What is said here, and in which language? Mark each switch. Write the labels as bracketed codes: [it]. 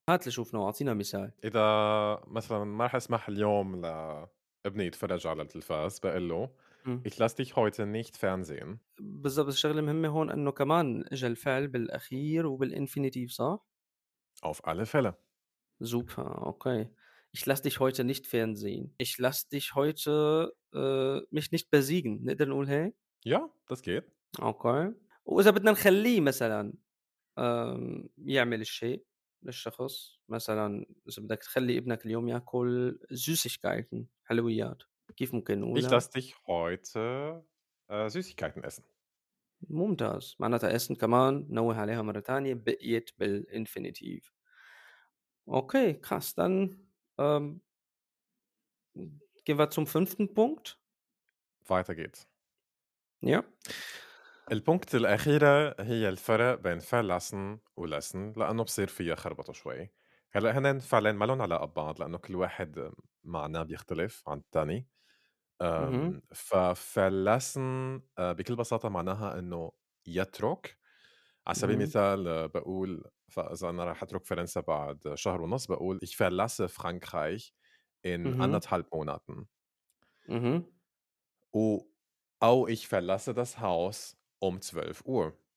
[ar] هات لشوفنا وعطينا مثال. إذا مثلاً ما رح أسمح اليوم لابني يتفرج على التلفاز بقول له [de] Ich lasse dich heute nicht fernsehen. [ar] بالضبط. الشغلة المهمة هون أنه كمان إجا الفعل بالأخير وبالإنفينيتيف صح؟ [de] Auf alle Fälle. Super. Okay. Ich lasse dich heute nicht fernsehen. Ich lasse dich heute mich nicht besiegen. [ar] نقدر نقول هيك؟ [de] Ja, das geht. Okay. [ar] وإذا بدنا نخليه مثلاً يعمل الشيء للشخص، مثلا إذا بدك تخلي ابنك اليوم يأكل süßigkeiten، حلويات، كيف ممكن نقول؟ [de] Ich lasse dich heute süßigkeiten essen. [ar] ممتاز. معناتها essen كمان نوه عليها مرة تانية، بقيت بالinfinitive. أوكي krass. [de] Dann gehen wir zum fünften Punkt. Weiter geht's. Ja. [ar] البونكت الأخيرة هي الفرق بين فعل لسن ولسن، لأنه بصير فيها خربطة شوي. هلا هن فعلين ما لهم علاقة ببعض، لأنه كل واحد معناه بيختلف عن الثاني. ففعل لسن بكل بساطة معناها أنه يترك. على سبيل المثال بقول، فإذا أنا راح أترك فرنسا بعد شهر ونص، بقول [de] Ich verlasse Frankreich in anderthalb Monaten. [ar] أو [de] Ich verlasse das Haus um 12 Uhr.